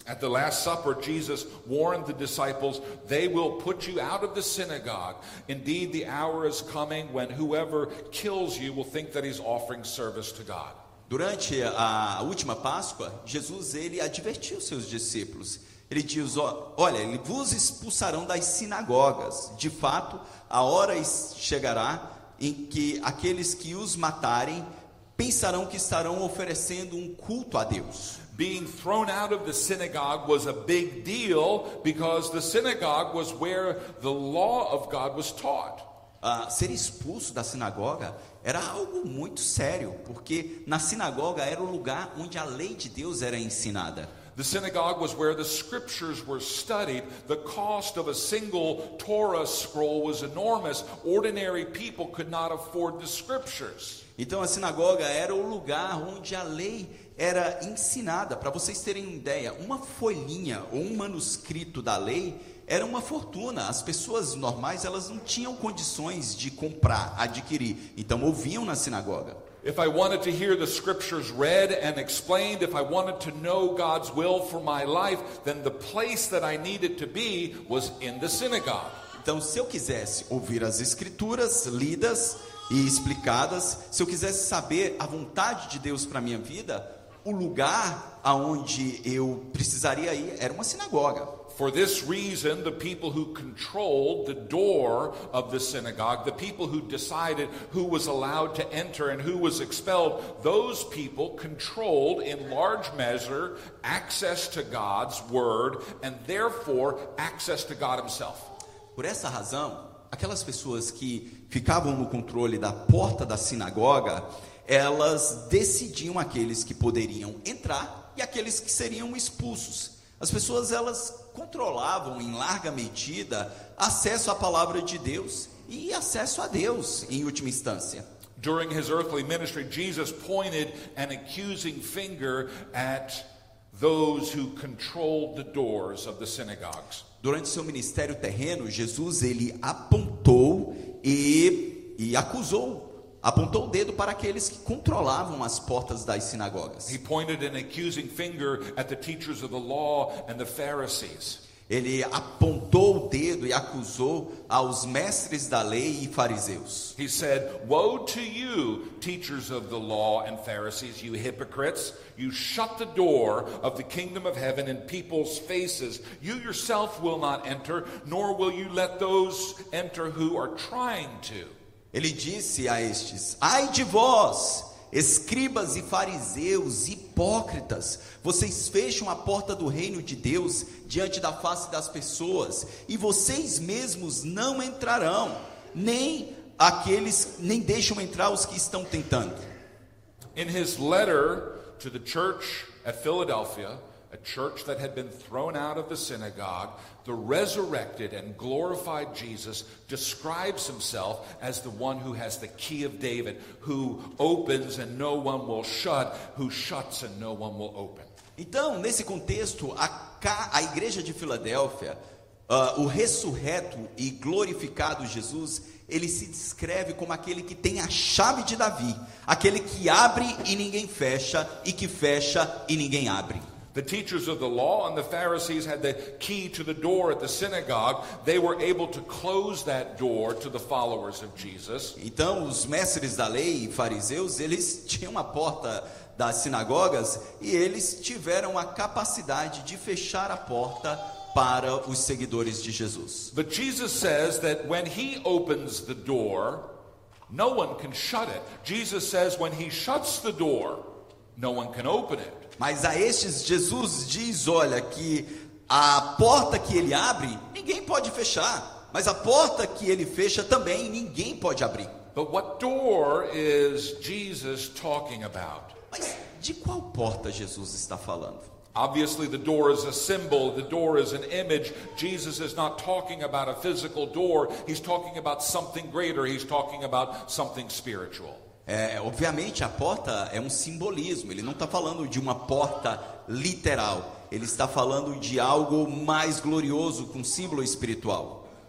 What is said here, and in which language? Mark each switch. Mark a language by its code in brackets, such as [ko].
[en] At the Last Supper, Jesus warned the disciples, "They will put you out of the synagogue. Indeed, the hour is coming when whoever kills you will think that he's offering service to God." [pt] Durante a última Páscoa, Jesus ele advertiu seus discípulos. Ele diz, olha, eles vos expulsarão das sinagogas. De fato, a hora chegará em que aqueles que os matarem pensarão que estarão oferecendo um culto a Deus. [en] Being thrown out of the synagogue was a big deal because the synagogue was where the law of God was taught. [pt] Ser expulso da sinagoga era algo muito sério, porque na sinagoga era o lugar onde a lei de Deus era ensinada. [en] The synagogue was where the scriptures were studied. The cost of a single Torah scroll was enormous. Ordinary people could not afford the scriptures. [pt] Então a sinagoga era o lugar onde a lei era ensinada. Para vocês terem uma ideia, uma folhinha ou um manuscrito da lei era uma fortuna. As pessoas normais, elas não tinham condições de comprar, adquirir. Então ouviam na sinagoga. [en] If I wanted to hear the scriptures read and explained, if I wanted to know God's will for my life, then the place that I needed to be was in the synagogue. [pt] Então, se eu quisesse ouvir as escrituras lidas e explicadas, se eu quisesse saber a vontade de Deus para minha vida, o lugar aonde eu precisaria ir era uma sinagoga. [en] For this reason, the people who controlled the door of the synagogue, the people who decided who was allowed to enter and who was expelled, those people controlled in large measure access to God's word and therefore access to God himself. [pt] Por essa razão, aquelas pessoas que ficavam no controle da porta da sinagoga, elas decidiam aqueles que poderiam entrar e aqueles que seriam expulsos. As pessoas, elas controlavam em larga medida acesso à palavra de Deus e acesso a Deus em última instância. [en] During his earthly ministry, Jesus pointed an accusing finger at those who controlled the doors of the synagogues. [pt] Durante seu ministério terreno, Jesus ele apontou e acusou, apontou o dedo para aqueles que controlavam as portas das sinagogas. [en] He pointed an accusing finger at the teachers of the law and the Pharisees. [pt] Ele apontou o dedo e acusou aos mestres da lei e fariseus. [en] He said, "Woe to you, teachers of the law and Pharisees, you hypocrites! You shut the door of the kingdom of heaven in people's faces. You yourself will not enter, nor will you let those enter who are trying to." [pt] Ele disse a estes, ai de vós, escribas e fariseus, hipócritas, vocês fecham a porta do reino de Deus diante da face das pessoas e vocês mesmos não entrarão, nem deixam entrar os que estão tentando. [en] In his letter to the church at Philadelphia, a church that had been thrown out of the synagogue, the resurrected and glorified Jesus describes himself as the one who has the key of David, who opens and no one will shut, who shuts and no one will open. [pt] Então, nesse contexto, a igreja de Filadélfia, o ressurreto e glorificado Jesus, ele se descreve como aquele que tem a chave de Davi, aquele que abre e ninguém fecha, e que fecha e ninguém abre. [en] The teachers of the law and the Pharisees had the key to the door at the synagogue. They were able to close that door to the followers of Jesus. [pt] Então, os mestres da lei e fariseus, eles tinham a porta das sinagogas e eles tiveram a capacidade de fechar a porta para os seguidores de Jesus. [en] But Jesus says that when he opens the door, no one can shut it. Jesus says when he shuts the door, no one can open it. [pt] Mas a estes Jesus diz, olha, que a porta que ele abre, ninguém pode fechar. Mas a porta que ele fecha também, ninguém pode abrir. [en] But what door is Jesus talking about? [pt] Mas de qual porta Jesus está falando? [en] Obviously, the door is a symbol, the door is an image. Jesus is not talking about a physical door, he's talking about something greater, he's talking about something spiritual. [pt] É, obviamente a porta é um simbolismo, ele não está falando de uma porta literal, ele está falando de algo mais glorioso, com símbolo espiritual.